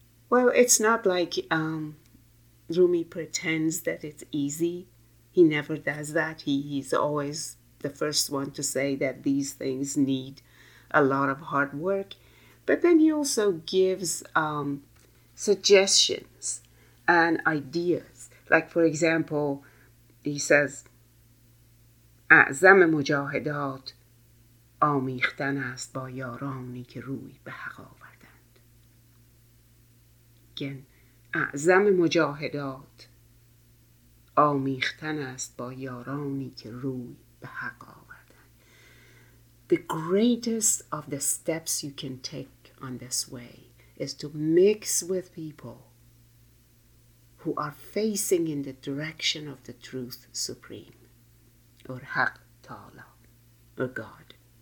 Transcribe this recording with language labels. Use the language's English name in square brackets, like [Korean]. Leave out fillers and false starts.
[English] Well, it's not like Rumi pretends that it's easy. He never does that. He's always the first one to say that these things need a lot of hard work. But then he also gives suggestions and ideas. Like, for example, he says, [Persian] اعظم مجاهدات آمیختن است با یارانی که روی به حق آورد. [English] Again, [Persian] اعظم مجاهدات آمیختن است با یارانی که روی به حق آوردن. [English] The greatest of the steps you can take on this way is to mix with people who are facing in the direction of the truth supreme, or حق تعالی, or God.